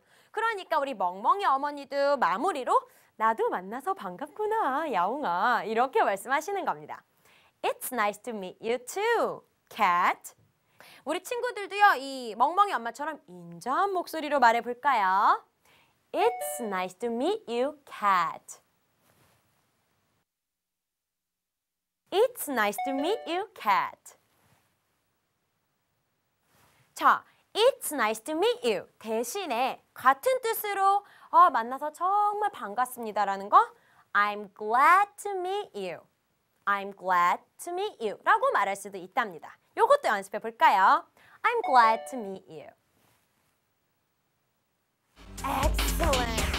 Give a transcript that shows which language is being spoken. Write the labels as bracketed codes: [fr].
[ko] 그러니까 우리 멍멍이 어머니도 마무리로 나도 만나서 반갑구나, 야옹아. 이렇게 말씀하시는 겁니다. [en] It's nice to meet you too, cat. [ko] 우리 친구들도요, 이 멍멍이 엄마처럼 인자한 목소리로 말해볼까요? [en] It's nice to meet you, cat. It's nice to meet you, cat. 자, It's nice to meet you. [ko] 대신에 같은 뜻으로 만나서 정말 반갑습니다 라는 거 [en] I'm glad to meet you. I'm glad to meet you. [ko] 라고 말할 수도 있답니다. 이것도 연습해 볼까요? [en] I'm glad to meet you. Excellent!